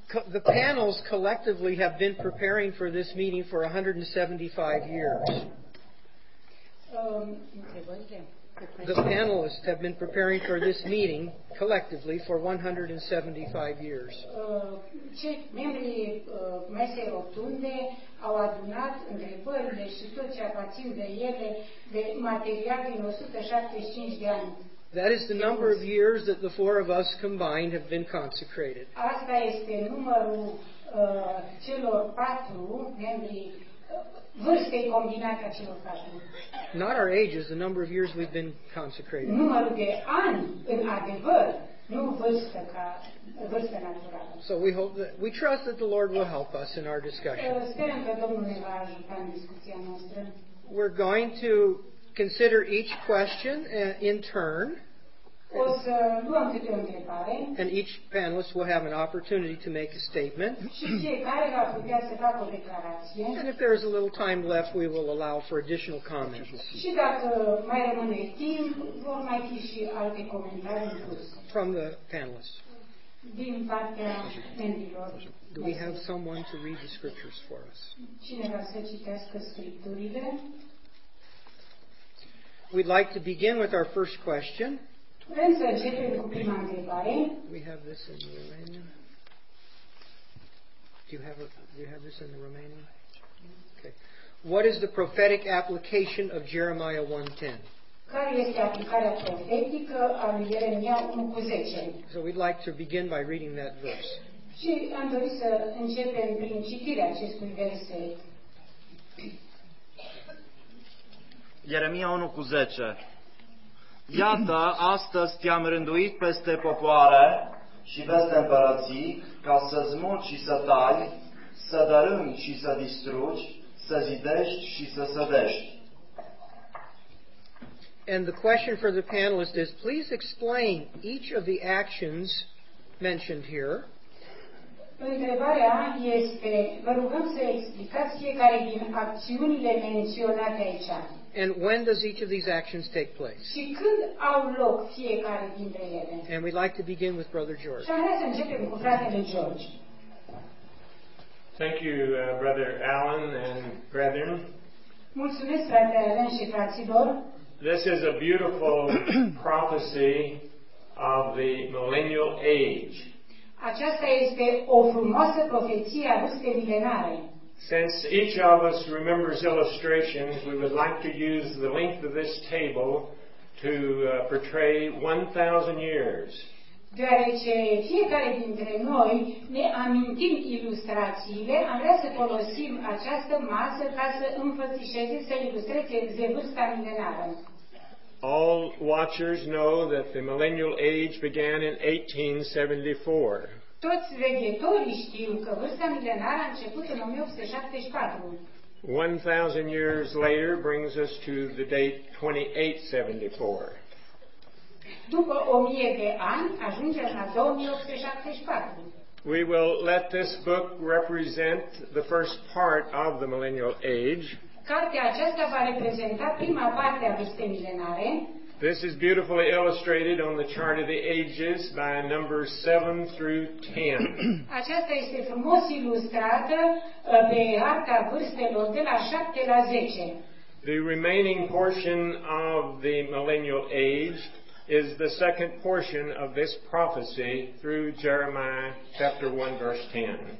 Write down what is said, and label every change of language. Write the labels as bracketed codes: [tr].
[en] The panels collectively have been preparing for this meeting for 175 years. The panelists have been preparing for this meeting collectively for 175 years. [ro] Membrii mesei rotunde au adunat întrebările și tot ce aparține de ele de material din 175 de ani. [en] That is the number of years that the four of us combined have been consecrated. [ro] Asta este numărul celor patru membri, vârstei combinate a celor patru. [en] Not our ages, the number of years we've been consecrated. [ro] Numărul de ani, în adevăr, nu vârstă ca vârstă naturală. [en] So we hope that we trust that the Lord will help us in our discussion. [ro] Sperăm că Domnul ne va ajuta în discuția noastră. [en] We're going to consider each question in turn, [ro] o să luăm câte o întrebare, [en] and each panelist will have an opportunity to make a statement. [ro] Și fiecare va putea să facă o declarație. [en] And if there is a little time left, we will allow for additional comments. [ro] Și dacă mai rămâne timp, vor mai fi și alte comentarii în plus. [en] From the panelists. [ro] Din partea membrilor. [en] Do we have someone to read the scriptures for us? [ro] Cineva să citească scripturile? [en] We'd like to begin with our first question. [ro] Vrem să începem cu prima întrebare. [en] We have this in the Romanian. Do you have this in the Romanian? Okay. What is the prophetic application of Jeremiah 1:10? [ro] Care este aplicarea profetică a lui Ieremia 1:10? [en] So we'd like to begin by reading that verse. [ro] Și am dorit să începem prin citirea acestui verset. Ieremia 1:10. Iată, astăzi te-am rânduit peste popoare și peste împărății, ca să smulgi și să tai, să dărâmi și să distrugi, să zidești și să sădești. [en] And the question for the panelist is, please explain each of the actions mentioned here. [ro] Întrebarea este, vă rugăm să explicați fiecare din acțiunile menționate aici. [en] And when does each of these actions take place? [ro] Și când au loc fiecare dintre ele? [en] And we'd like to begin with Brother George. [ro] Și să începem cu fratele George. [en] Thank you, Brother Alan and brethren. [ro] Mulțumesc, fratele Alan și fraților. [en] This is a beautiful prophecy of the millennial age. [ro] Aceasta este o frumoasă profeție a vârstei milenare. [en] Since each of us remembers illustrations, we would like to use the length of this table to portray 1,000 years. [ro] Deoarece fiecare dintre noi ne amintim ilustrațiile, am vrea să folosim această masă ca să înfățișeze, să ilustreze vârsta milenară. [en] All watchers know that the millennial age began in 1874. [ro] Toți veghetorii știu că vârsta milenară a început în 1874. [en] 1,000 years later brings us to the date 2874. [ro] După 1,000 de ani ajungem la 2874. [en] We will let this book represent the first part of the millennial age. [ro] Cartea aceasta va reprezenta prima parte a vârstei milenare. [en] This is beautifully illustrated on the chart of the ages by numbers 7 through 10. [ro] Aceasta este frumos ilustrată pe harta vârstelor de la 7 la 10. [en] The remaining portion of the millennial age is the second portion of this prophecy through Jeremiah chapter 1 verse 10.